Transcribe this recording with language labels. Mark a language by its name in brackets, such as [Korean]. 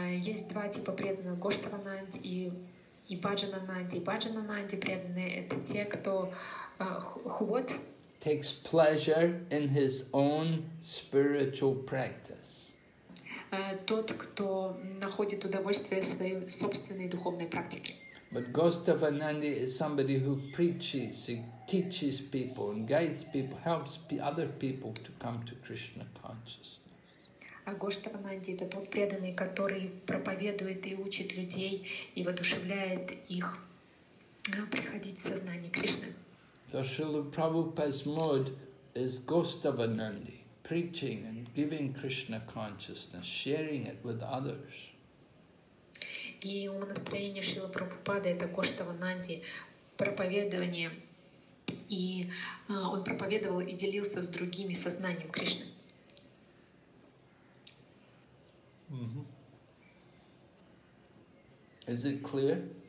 [Russian] Есть два типа преданных: Гоштавананди и Баджананди. Баджананди преданные — это те, кто ход. [English] Takes pleasure in his own spiritual practice. [Russian] Тот, кто находит удовольствие в своей собственной духовной практике. [English] But Гоштавананди is somebody who preaches, he teaches people, and guides people, helps other people to come to Krishna consciousness. [Russian] А Гоштавананди — это тот преданный, который проповедует и учит людей и воодушевляет их приходить в сознание Кришны. [English] So Srila Prabhupada's mode is Gostavananandi, preaching and giving Krishna consciousness, sharing it with others. [Russian] И умонастроение Шрилы Прабхупады — это Гоштавананди, проповедование, и он проповедовал и делился с другими сознанием Кришны. [English] Mm-hmm. Is it clear?